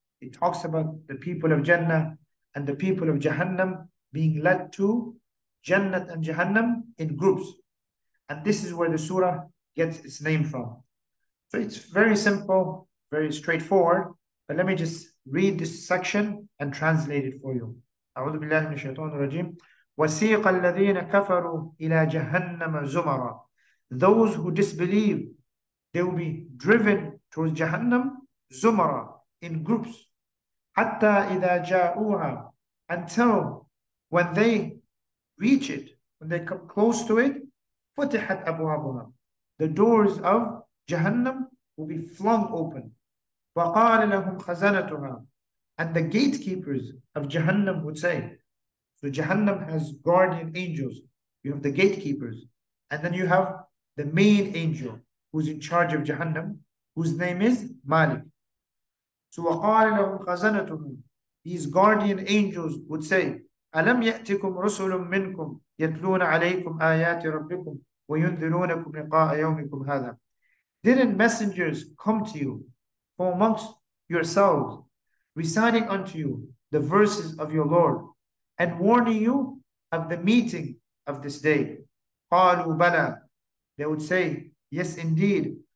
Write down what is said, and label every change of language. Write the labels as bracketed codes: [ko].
[en] It talks about the people of Jannah and the people of Jahannam being led to Jannat and Jahannam in groups. And this is where the surah gets its name from. So it's very simple, very straightforward. But let me just read this section and translate it for you. [ar] أعوذ بالله من الشيطان الرجيم. وسيق الذين كفروا إلى جهنم زمرا. [en] Those who disbelieve, they will be driven towards Jahannam زمرا, in groups. [ar] حتى إذا جاءوها, [en] until when they reach it, when they come close to it, [ar] فُتِحَتْ أَبْوَابُهَا, [en] the doors of Jahannam will be flung open. [ar] وَقَالَ لَهُمْ خَزَنَتُهَا, [en] and the gatekeepers of Jahannam would say, so Jahannam has guardian angels. You have the gatekeepers, and then you have the main angel who's in charge of Jahannam, whose name is Malik. [ar] So وَقَالَ لَهُمْ خَزَنَتُهَا, [en] these guardian angels would say, [ar] أَلَمْ يَأْتِكُمْ رُسُلٌ مِّنْكُمْ يَتْلُونَ عَلَيْكُمْ آيَاتِ رَبِّكُمْ وَيُنذِرُونَكُمْ لِقَاءَ يَوْمِكُمْ هَذَا. [en] Didn't messengers come to you from amongst yourselves, reciting unto you the verses of your Lord and warning you of the meeting of this day? [ar] قَالُوا بَلَى, [en] they would say, yes, indeed.